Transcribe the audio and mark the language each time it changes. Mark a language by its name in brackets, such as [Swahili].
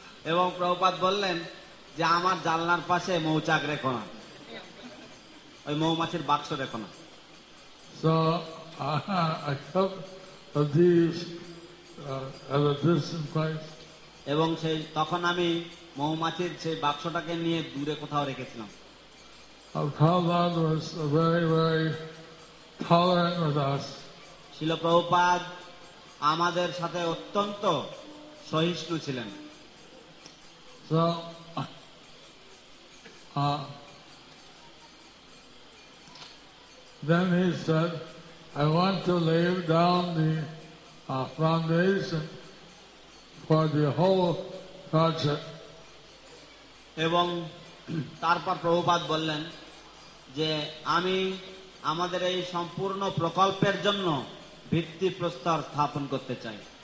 [Bangla] এবং প্রভুপাদ বললেন যে আমার জানলার পাশে মৌচাক রেখো না, ওই মৌমাছির বাক্স রেখো না। [English] So I kept these at a distant place. [Bangla] এবং সেই তখন আমি মৌমাছির সেই বাক্সটাকে নিয়ে দূরে কোথাও রেখেছিলাম। [English] Prabhupada was very, very tolerant with us. [Bangla] শিল প্রভুপাদ আমাদের সাথে অত্যন্ত সহিষ্ণু ছিলেন। [English] So, then he said, I want to lay down the foundation for the whole project. [Bangla] এবং তারপর প্রভুপাদ বললেন যে আমি আমাদের এই সম্পূর্ণ প্রকল্পের জন্য ভিত্তি প্রস্তর স্থাপন করতে চাই।